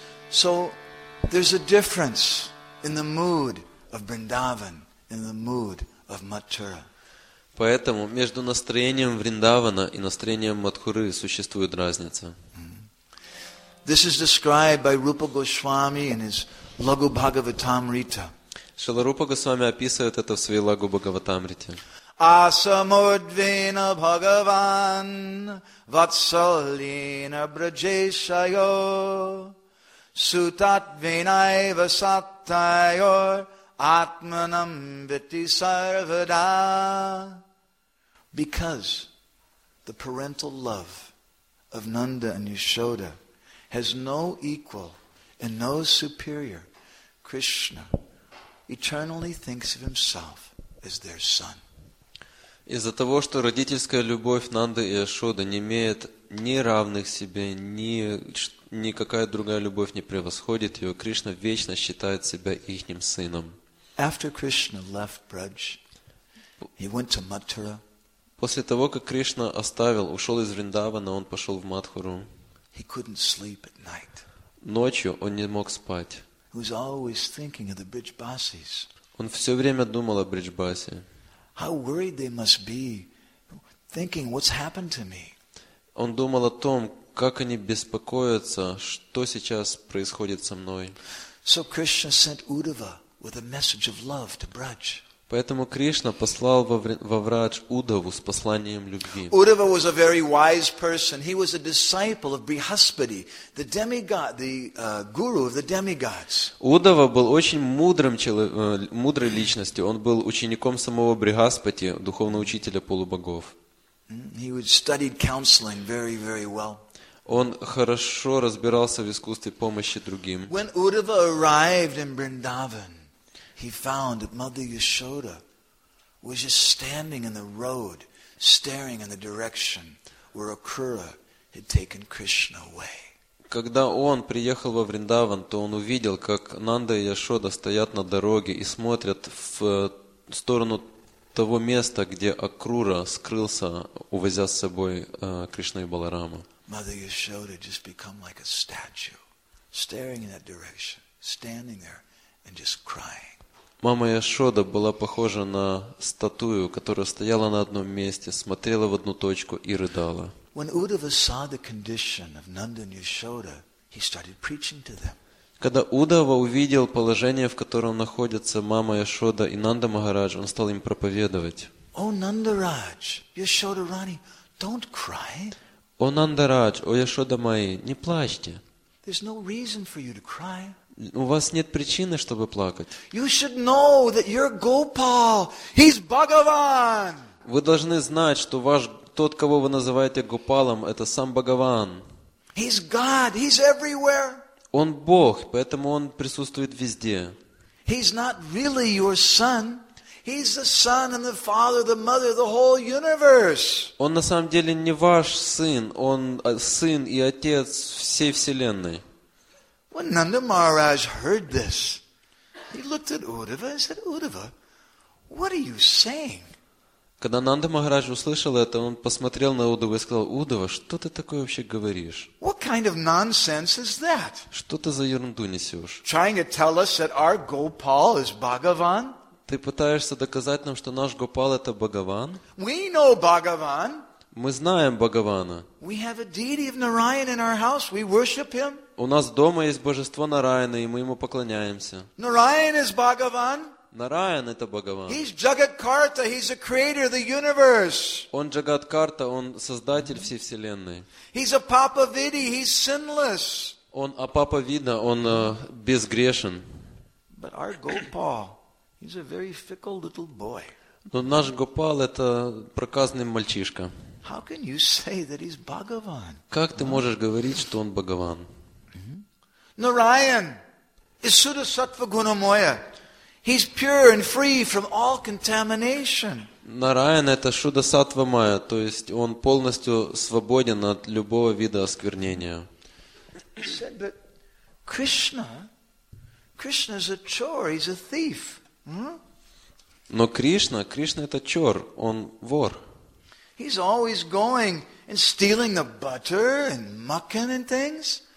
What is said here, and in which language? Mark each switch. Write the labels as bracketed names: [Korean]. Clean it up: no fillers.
[English] So there's a difference in the mood of Vrindavan and the mood of Mathura. [Russian] Поэтому между настроением Вриндавана и настроением Матхуры существует разница. [English] This is described by Rupa Goswami in his Lagu Bhagavatamrita. [Russian] Шрила Рупа Госвами описывает это в своей Лагу Бхагаватамрите. [Sanskrit] Asamudvina Bhagavan Vatsalina Brajeshayo Sutatvinaiva Satayor Atmanam Viti Sarvada. [English] Because the parental love of Nanda and Yashoda has no equal and no superior, Krishna eternally thinks of himself as their son. [Russian] Из-за того, что родительская любовь Нанды и Яшоды не имеет ни равных себе, никакая другая любовь не превосходит ее, Кришна вечно считает себя ихним сыном. [English] After Krishna left Braj, he went to Mathura. [Russian] После того, как Кришна оставил, ушел из Вриндавана, он пошел в Матхуру. [English] He couldn't sleep at night. [Russian] Ночью он не мог спать. [English] He was always thinking of the Brijbasis. [Russian] Он все время думал о Бриджбасе. [English] How worried they must be, thinking, what's happened to me? [Russian] Он думал о том, как они беспокоятся, что сейчас происходит со мной. [English] So Krishna sent Uddhava with a message of love to Braj. [Russian] Поэтому Кришна послал во Врадж Удаву с посланием любви. [English] Удава was a very wise person. He was a disciple of Brihaspati, the demigod, the guru of the demigods. [Russian] Удава был очень мудрым мудрой личностью. Он был учеником самого Брихаспати, духовного учителя полубогов. [English] He studied counseling very, very well. [Russian] Он хорошо разбирался в искусстве помощи другим. [English] When Udava arrived in Vrindavan, he found that Mother Yashoda was just standing in the road, staring in the direction where Akura had taken Krishna away. [Russian] Когда он приехал во Вриндаван, то он увидел, как Нанда и Яшода стоят на дороге и смотрят в сторону того места, где Акрура скрылся, увозя с собой Кришну и Баларама. [English] Mother Yashoda just become like a statue, staring in that direction, standing there and just crying. [Russian] Мама Яшода была похожа на статую, которая стояла на одном месте, смотрела в одну точку и рыдала. [English] When Uddhava saw the condition of Nanda and Yashoda, he started preaching to them. [Russian] Когда Удава увидел положение, в котором находятся мама Яшода и Нанда Махарадж, он стал им проповедовать. [English] О, Нандарадж, Яшода Рани, don't cry. [Russian] О, Нандарадж, о, Яшода Маи, не плачьте. [English] There's no reason for you to cry. [Russian] У вас нет причины, чтобы плакать. [English] You should know that your Gopal, he's Bhagavan. [Russian] Вы должны знать, что ваш тот, кого вы называете Гопалом, это сам Бхагаван. [English] He's God, he's everywhere. [Russian] Он Бог, поэтому Он присутствует везде. [English] He's not really your son. He's the son and the father, the mother, the whole universe. [Russian] Он на самом деле не ваш сын, он сын и отец всей вселенной. [English] When Nanda Maharaj heard this, he looked at Uddhava and said, Uddhava, what are you saying? [Russian] Когда Нанда Махарадж услышал это, он посмотрел на Удаву и сказал, Удава, что ты такое вообще говоришь? [English] What kind of nonsense is that? [Russian] Что ты за ерунду несешь? [English] Trying to tell us that our Gopal is Bhagavan? [Russian] Ты пытаешься доказать нам, что наш Гопал это Бхагаван? [English] We know Bhagavan. [Russian] Мы знаем Бхагавана. [English] We have a deity of Narayan in our house. We worship him. [Russian] У нас дома есть божество Нараяна, и мы ему поклоняемся. [English] Narayan is Bhagavan. [Russian] Нараян это Бхагаван. [English] He's Jagatkarta, he's the creator of the universe. [Russian] Он Джагаткарта, он создатель всей вселенной. [English] He's a Apapavida, he's sinless. [Russian] Он Апапавида, он безгрешен. [English] But our Gopal, he's a very fickle little boy. [Russian] Но наш Гопал это проказный мальчишка. [English] How can you say that he's Bhagavan? [Russian] Как ты можешь говорить, что он Бхагаван? [English] Narayan is Suddha Sattva Gunamoya. He's pure and free from all contamination. [Russian] Narayan это Шудда Саттва Майя, то есть он полностью свободен от любого вида осквернения. [English] He said, but Krishna is a chor, he's a thief. [Russian] Но Кришна это чор, он вор. [English] He's always going and stealing the butter and makkhan and things.